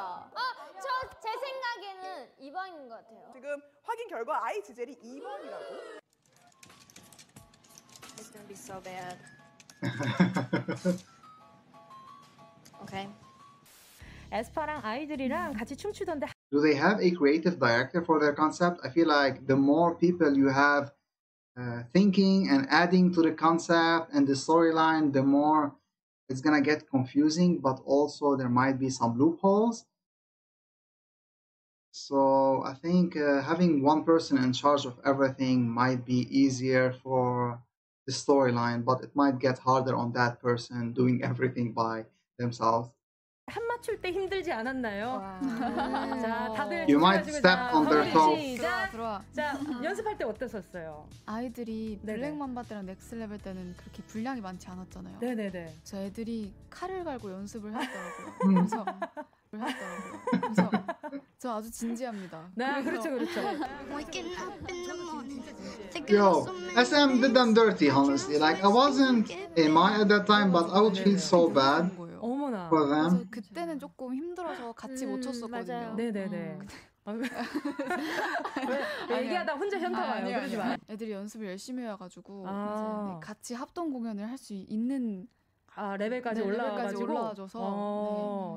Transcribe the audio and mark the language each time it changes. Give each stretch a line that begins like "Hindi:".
Korean: 아, 저 제 생각에는 2번인 것 같아요. 지금 확인 결과 아이 지젤이 2번이라고?
English: It's gonna be so bad. Okay.
Korean: 에스파랑 아이들이랑 같이 춤추던데.
English: Do they have a creative director for their concept? I feel like the more people you have thinking and adding to the concept and the storyline, the more it's gonna get confusing, but also there might be some loopholes. So I think having one person in charge of everything might be easier for the storyline, but it might get harder on that person doing everything by themselves.
Korean: 한 맞출 때 힘들지 않았나요? 자, 다들
English: You might step on their toes.
Korean: 들어와. 자, 연습할 때 어땠었어요? 아이들이 블랙맘바드랑 넥스트레벨 때는 그렇게 분량이 많지 않았잖아요. 네네네. 그래서 애들이 칼을 갈고 연습을 하더라고요. 그래서 그래서 저 아주 진지합니다. 네, 그렇죠, 그렇죠.
English: Yo, SM did them dirty, honestly. Like I wasn't in my at that time, but I would feel so bad.
Korean: 어머나. 그때는 조금 힘들어서 같이 못 쳤었거든요. 네네네. 얘기하다 혼자 현타 와요. 그러지 마. 애들이 연습을 열심히 해가지고 아. 같이 합동 공연을 할 수 있는 아 레벨까지 네, 올라와가지고 올라와줘서.